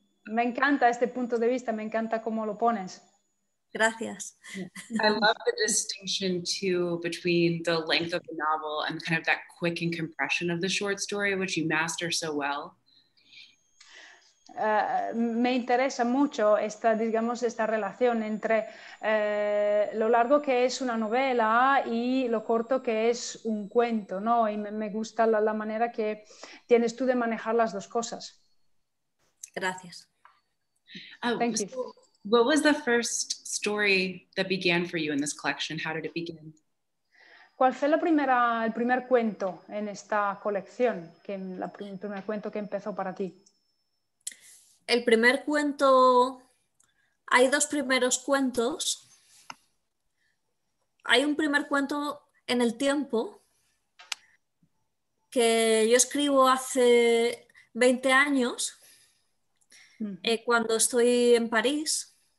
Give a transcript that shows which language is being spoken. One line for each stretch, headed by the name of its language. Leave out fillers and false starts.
Spanish: Me encanta este punto de vista, me encanta cómo lo pones. Gracias.
English: I love the distinction too between the length of the novel and kind of that quick and compression of the short story, which you master so well.
Spanish: Me interesa mucho esta, digamos, esta relación entre lo largo que es una novela y lo corto que es un cuento, ¿no? Y me gusta la manera que tienes tú de manejar las dos cosas. Gracias.
English: What was the first story that began for you in this collection? How did it begin?
Spanish: ¿Cuál fue la primera, el primer cuento en esta colección? Que el primer cuento que empezó para ti. El primer cuento. Hay dos primeros cuentos. Hay un primer cuento en el tiempo que yo escribo hace 20 años cuando estoy en París.